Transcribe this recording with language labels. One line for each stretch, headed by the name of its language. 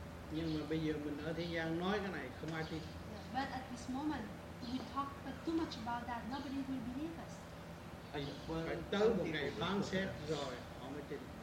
Vietnamese: Nhưng mà bây giờ mình ở thế gian nói cái này không ai tin.
English: Yeah, but at this moment we talk too much about that, nobody will believe us.
Vietnamese: Phải tới một ngày phán xét rồi họ mới tin.